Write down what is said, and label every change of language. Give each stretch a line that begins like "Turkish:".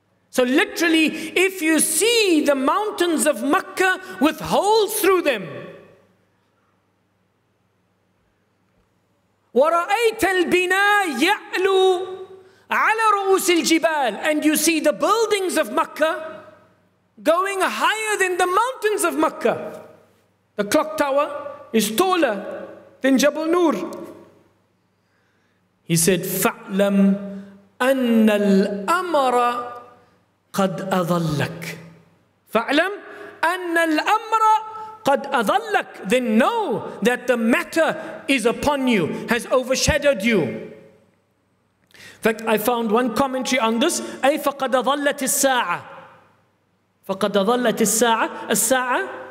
English: So literally, if you see the mountains of Mecca with holes through them,
Arabic: وَرَأَيْتَ الْبِنَا يَعْلُو عَلَى رُؤُسِ الْجِبَالِ.
English: And you see the buildings of Mecca going higher than the mountains of Mecca. The clock tower is taller than Jabal Nur. He said,
Arabic: فَعْلَمْ أَنَّ الْأَمَرَ قَدْ أَضَلَّكَ. فَعْلَمْ أَنَّ الْأَمَرَ قَدْ أَضَلَّكَ.
English: Then know that the matter is upon you, has overshadowed you. In fact, I found one commentary on this.
Arabic: أي فَقَدْ أَضَلَّتِ السَّاعَةِ. فَقَدْ أَضَلَّتِ السَّاعَةِ. السَّاعَةِ.